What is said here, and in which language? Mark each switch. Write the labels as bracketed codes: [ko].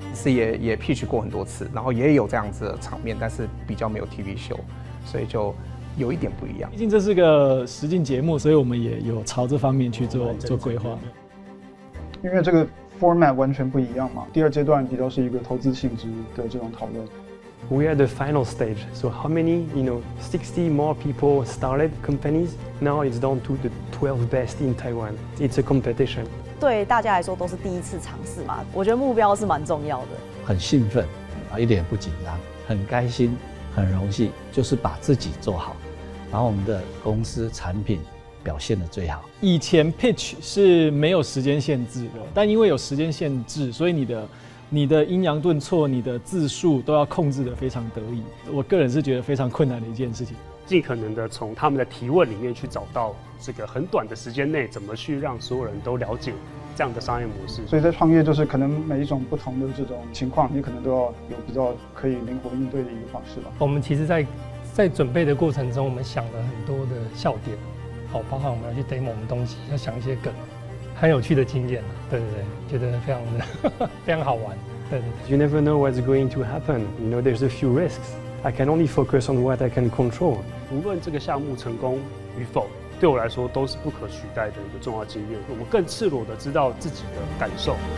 [zh] 也 pitch 过很多次，然后也有这样子的场面，但是比较没有 TV show， 所以就有一点不一样。毕竟这是个实境节目，所以我们也有朝这方面去做规划。因为这个 format 完全不一样嘛，第二阶段比较是一个投资性质的这种讨论。 [en] We are the final stage. So how many, you know, 60 more people started companies? Now it's down to the 12 best in Taiwan. It's a competition. [zh] 对大家来说都是第一次尝试嘛，我觉得目标是蛮重要的。很兴奋，一点不紧张，很开心，很荣幸，就是把自己做好，把我们的公司产品表现得最好。以前 pitch 是没有时间限制的，但因为有时间限制，所以你的阴阳顿挫、你的字数都要控制得非常得宜。我个人是觉得非常困难的一件事情。尽可能的从他们的提问里面去找到这个很短的时间内怎么去让所有人都了解这样的商业模式。所以在创业就是可能每一种不同的这种情况，你可能都要有比较可以灵活应对的一个方式吧。我们其实在准备的过程中，我们想了很多的笑点，好，包括我们要去 demo 我们东西，要想一些梗，很有趣的经验，对，觉得非常好玩。对 [en] You never know what's going to happen. You know, there's a few risks. I can only focus on what I can control. [zh] 无论这个项目成功与否，对我来说都是不可取代的一个重要经验。我们更赤裸地知道自己的感受。